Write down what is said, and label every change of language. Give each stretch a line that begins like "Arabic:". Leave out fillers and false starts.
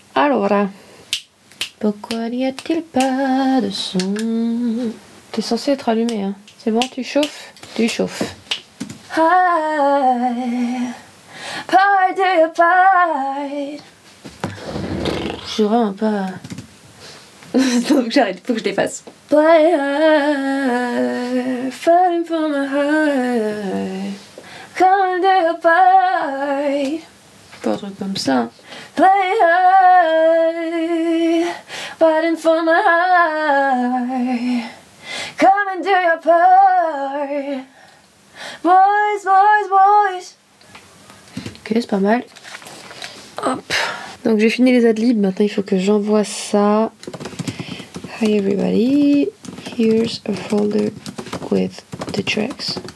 French: Alors, pourquoi n'y a-t-il pas de son ? T'es censé être allumé, hein. C'est bon, tu chauffes ? Tu chauffes.
English: Hide, hide, hide.
French: Je suis vraiment pas. Donc j'arrête, faut que je l'efface.
English: Play, fighting for my heart. Come and do a fight.
French: Pas un truc comme ça.
English: Play, fighting for my heart. Come and do a fight. Boys, boys, boys.
French: Ok, c'est pas mal. Hop. Donc j'ai fini les adlibs, maintenant il faut que j'envoie ça.
English: Hi everybody, here's a folder with the tracks.